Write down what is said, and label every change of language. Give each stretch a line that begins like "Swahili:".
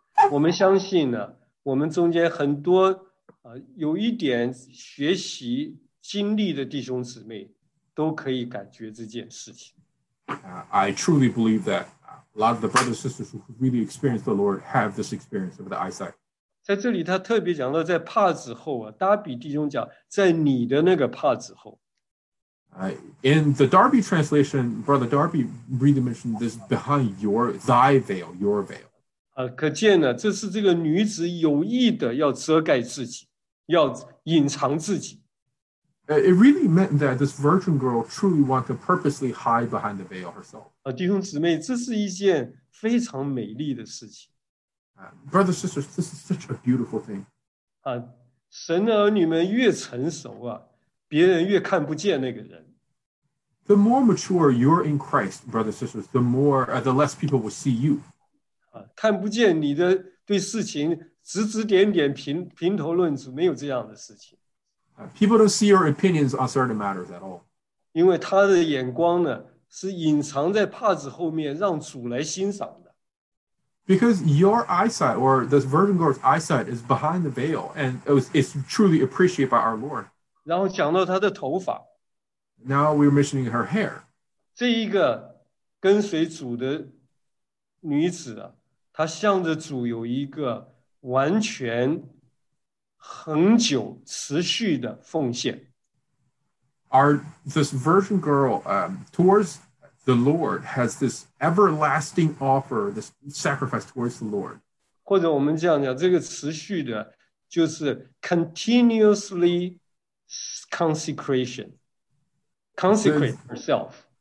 Chinese: 我们相信呢，我们中间很多有一点学习经历的弟兄姊妹都可以感觉这件事情。
English: I truly believe that a lot of the brothers and sisters who really experience the Lord have this experience of the eyesight.
Chinese: 在这里他特别讲到在帕子后啊，达比弟兄讲在你的那个帕子后。
English: In the Darby translation, Brother Darby really mentioned this behind thy veil, your veil.
Chinese: 可见呢，这是这个女子有意的要遮盖自己，要隐藏自己。
English: It really meant that this virgin girl truly wanted to purposely hide behind the veil herself.
Chinese: 弟兄姊妹，这是一件非常美丽的事情。
English: Brothers, sisters, this is such a beautiful thing.
Chinese: 神的儿女们越成熟啊，别人越看不见那个人。
English: The more mature you're in Christ, brothers, sisters, the less people will see you.
Chinese: 看不见你的对事情指指点点评头论足，没有这样的事情。
English: People don't see your opinions on certain matters at all.
Chinese: 因为他的眼光呢，是隐藏在帕子后面让主来欣赏的。
English: Because your eyesight or the virgin girl's eyesight is behind the veil and it's truly appreciated by our Lord.
Chinese: 然后讲到她的头发。
English: Now we're mentioning her hair.
Chinese: 这一个跟随主的女子啊，她向着主有一个完全恒久持续的奉献。
English: This virgin girl towards the Lord has this everlasting offer, this sacrifice towards the Lord.
Chinese: 或者我们这样讲，这个持续的，就是
English: continuously consecrate herself.